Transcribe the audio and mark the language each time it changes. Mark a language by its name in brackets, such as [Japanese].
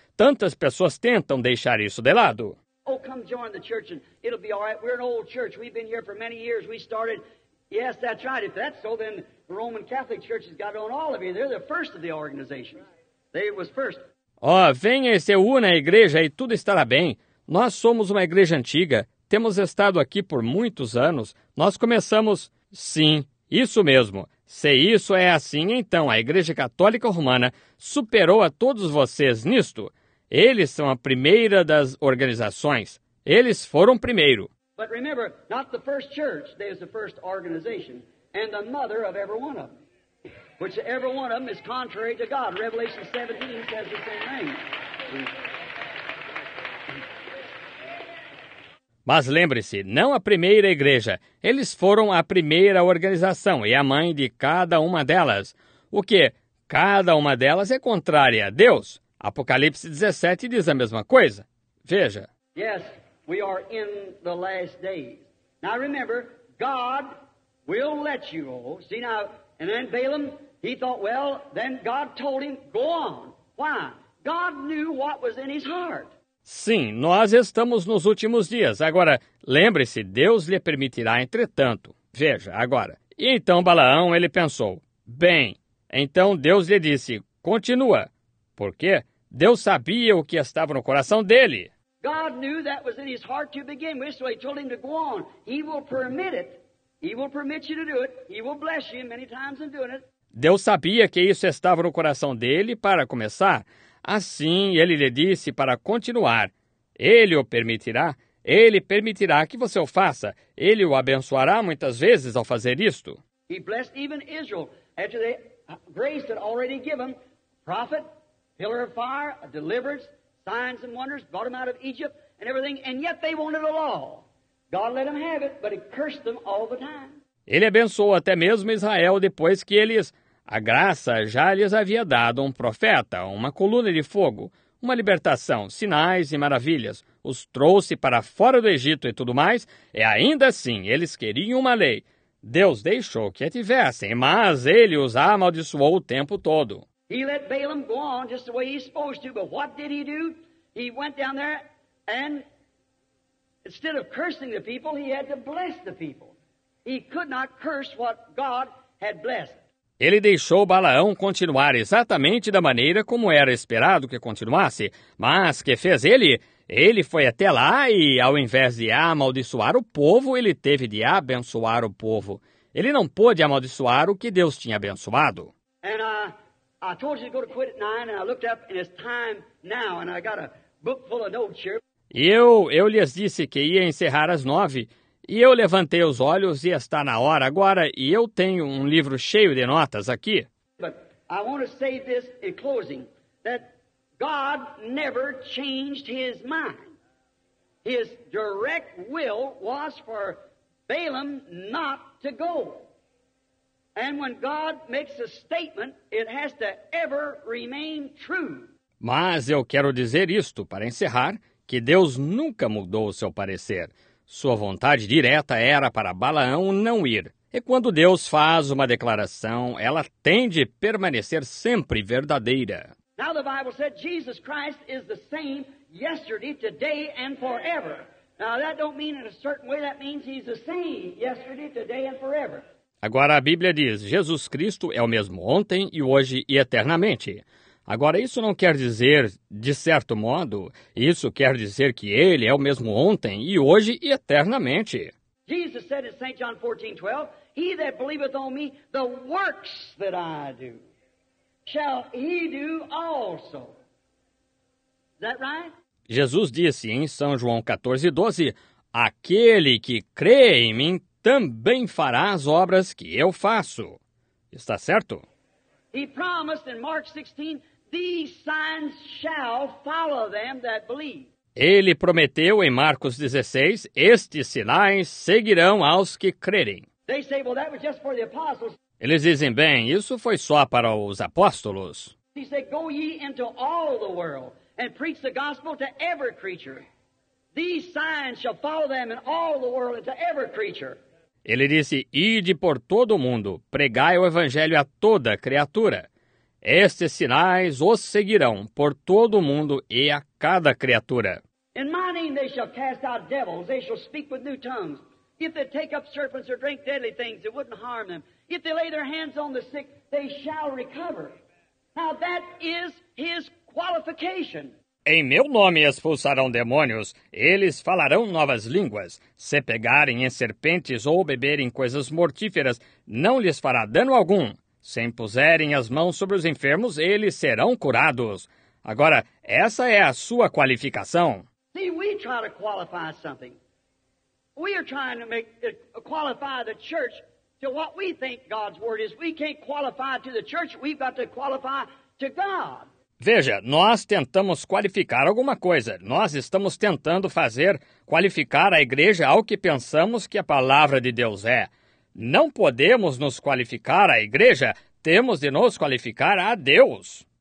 [Portuguese] Tantas pessoas tentam deixar isso de lado. [English] Oh, come join the church and it'll be all right. We're an old church. We've been here for many years. We started. Yes, that's right. If that's so, then the Roman Catholic Church has got it on all of you. They're the first of the organizations. They was first. [Portuguese] Venha e se una à igreja e tudo estará bem. Nós somos uma igreja antiga. Temos estado aqui por muitos anos. Nós começamos. Sim, isso mesmo. Se isso é assim, então a Igreja Católica Romana superou a todos vocês nisto. Eles são a primeira das organizações. Eles foram primeiro. [English] But remember, not the first church, they is the first organization and the mother of every one of them. Which every one of them is contrary to God. Revelation 17 says the same thing. [Portuguese] Mas lembre-se, não a primeira igreja. Eles foram a primeira organização e a mãe de cada uma delas. O quê? Cada uma delas é contrária a Deus. Apocalipse 17 diz a mesma coisa. Veja. [English] Yes, we are in the last days. Now remember, God will let you go. See now, and then Balaam, he thought, well, then God told him, go on. Why? God knew what was in his heart. [Portuguese] Sim, nós estamos nos últimos dias. Agora, lembre-se, Deus lhe permitirá, entretanto. Veja, agora. E então Balaão, ele pensou, bem, então Deus lhe disse, continua. Por quê? Deus sabia o que estava no coração dele. [English] God knew that was in his heart to begin with, so he told him to go on. He will permit it. He will permit you to do it. He will bless you many times in doing it. [Portuguese] Deus sabia que isso estava no coração dele para começar. Assim, ele lhe disse para continuar. Ele o permitirá. Ele permitirá que você o faça. Ele o abençoará muitas vezes ao fazer isto. [English] He blessed even Israel after the grace that already given. Prophet, pillar of fire, a deliverance, signs and wonders, brought them out of Egypt and everything. And yet they wanted a law. God let them have it, but he cursed them all the time. [Portuguese] Ele abençoou até mesmo Israel depois que eles... A graça já lhes havia dado um profeta, uma coluna de fogo, uma libertação, sinais e maravilhas. Os trouxe para fora do Egito e tudo mais, e ainda assim eles queriam uma lei. Deus deixou que a tivessem, mas ele os amaldiçoou o tempo todo. [English] He let Balaam go on just the way he's supposed to, but what did he do? He went down there and instead of cursing the people, he had to bless the people. He could not curse what God had blessed. [Portuguese] Ele deixou Balaão continuar exatamente da maneira como era esperado que continuasse. Mas que fez ele? Ele foi até lá e, ao invés de amaldiçoar o povo, ele teve de abençoar o povo. Ele não pôde amaldiçoar o que Deus tinha abençoado. [English] And I told you to go to quit at 9 and I looked up and it's time now and I got a book full of notes here. [Portuguese] Eu lhes disse que ia encerrar às 9. E eu levantei os olhos e está na hora agora e eu tenho um livro cheio de notas aqui. [English] But I want to say this in closing, that God never changed his mind. His direct will was for Balaam not to go. And when God makes a statement, it has to ever remain true. [Portuguese] Mas eu quero dizer isto para encerrar, que Deus nunca mudou o seu parecer. Sua vontade direta era para Balaão não ir. E quando Deus faz uma declaração, ela tem de permanecer sempre verdadeira. [English] Now the Bible said Jesus Christ is the same yesterday, today and forever. Now that don't mean in a certain way, that means he's the same yesterday, today and forever. [Portuguese] Agora a Bíblia diz: Jesus Cristo é o mesmo ontem e hoje e eternamente. Agora, isso não quer dizer, de certo modo, isso quer dizer que ele é o mesmo ontem e hoje e eternamente. [English] Jesus said in St. John 14:12, he that believeth on me, the works that I do, shall he do also. Is that right? [Portuguese] Jesus disse em São João 14:12, aquele que crê em mim também fará as obras que eu faço. Está certo? [English] He promised in Mark 16, these signs shall follow them that believe. [Portuguese] Ele prometeu em Marcos 16, estes sinais seguirão aos que crerem. [English] They say, well, that was just for the apostles. [Portuguese] Eles dizem, bem, isso foi só para os apóstolos. [English] He said, go ye into all the world and preach the gospel to every creature. These signs shall follow them in all the world and to every creature. [Portuguese] Ele disse: "Ide por todo o mundo, pregai o evangelho a toda criatura. Estes sinais os seguirão por todo o mundo e a cada criatura." [English] In my name they shall cast out devils, they shall speak with new tongues. If they take up serpents or drink deadly things, it wouldn't harm them. If they lay their hands on the sick, they shall recover. Now that is his qualification. [Portuguese] Em meu nome expulsarão demônios, eles falarão novas línguas. Se pegarem em serpentes ou beberem coisas mortíferas, não lhes fará dano algum. Se impuserem as mãos sobre os enfermos, eles serão curados. Agora, essa é a sua qualificação. [English] See, we try to qualify something. We are trying to make it qualify the church to what we think God's word is. We can't qualify to the church, we've got to qualify to God. [Portuguese] Veja, nós tentamos qualificar alguma coisa. Nós estamos tentando fazer qualificar a igreja ao que pensamos que a palavra de Deus é. Não podemos nos qualificar à igreja, temos de nos qualificar a Deus.